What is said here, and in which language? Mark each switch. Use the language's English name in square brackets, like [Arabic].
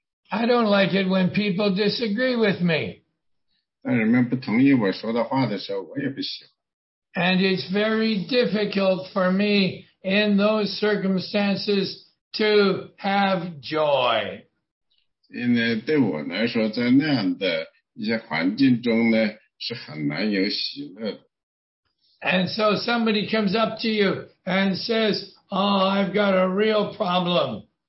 [English] I don't like it when people disagree with me. [Chinese] 但人们不同意我说的话的时候,我也不喜欢。 [English] And it's very difficult for me in those circumstances to have joy. [Chinese] 因为对我来说,在那样的 一些环境中呢,是很难有喜乐的。 [English] And so somebody comes up to you and says, oh, I've got a real problem.